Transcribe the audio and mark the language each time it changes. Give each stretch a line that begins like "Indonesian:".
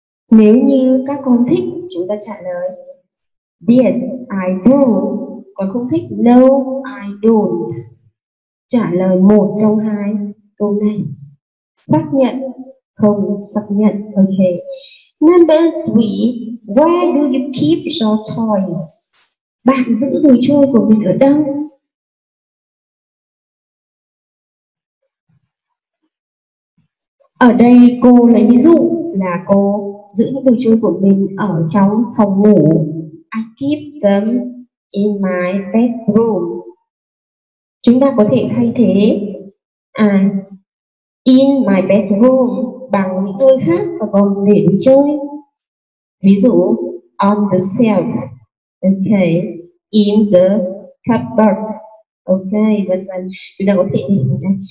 Vietnamese: Nếu như các con thích, chúng ta trả lời
English: yes, I do.
Vietnamese: Còn không thích,
English: no, I don't.
Vietnamese: Trả lời một trong hai câu này. Xác nhận, không xác nhận. Ok.
English: Number three, where do you keep your toys?
Vietnamese: Bạn giữ đồ chơi của mình ở đâu? Ở đây cô lấy ví dụ là cô giữ những đồ chơi của mình ở trong phòng ngủ.
English: I keep them in my bedroom.
Vietnamese: Chúng ta có thể thay thế
English: in my bedroom
Vietnamese: bằng những nơi khác và còn để đồ chơi. Ví dụ,
English: on the shelf. Ok. In the cupboard.
Vietnamese: Ok, vân vân. Chúng ta có thể để ở đây.